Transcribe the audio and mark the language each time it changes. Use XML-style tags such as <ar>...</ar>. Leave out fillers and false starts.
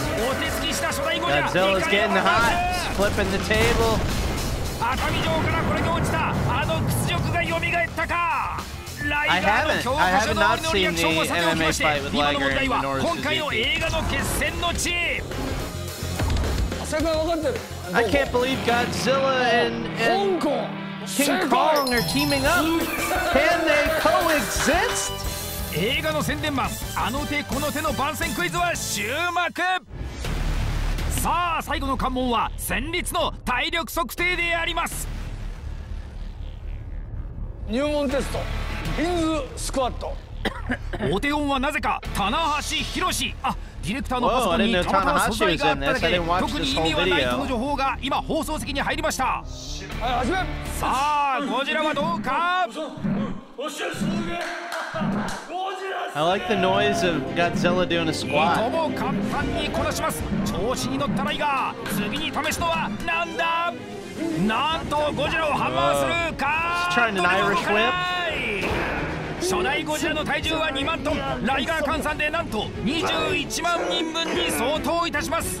<ja>お手つきした初代ゴジラ、</ja> <en>ゴジラ is getting hot, flipping the table.</en> <ja>熱海城からこれで落ちたあの屈辱が蘇ったか。</ja> <en>I haven't. I have not seen the MMA fight with Liger and Minoru Suzuki.</en> <ja>今回の映画の決戦の地。</ja> <en>I can't believe Godzilla and King Kong are teaming up. Can they coexist?</en> <ja>映画の宣伝マン、あの手この手の番宣クイズは終幕。さあ最後の関門は戦慄の体力測定であります。入門テスト、ヒンズスクワット。お手本はなぜか棚橋博士。あ、ディレクターのパソコンにたまたま素材があっただけで、特に意味はないとの情報が今放送席に入りました。さあゴジラはどうか。</ja> <en>I like the noise of Godzilla doing a squat.</en> <ja>いとも簡単にこなします。調子に乗ったライガー、次に試すのはなんだ。なんとゴジラをハンマーするか。</ja> <en>Trying an Irish whip.</en> <ja>初代ゴジラの体重は2万トン、ライガー換算でなんと21万人分に相当いたします。</ja>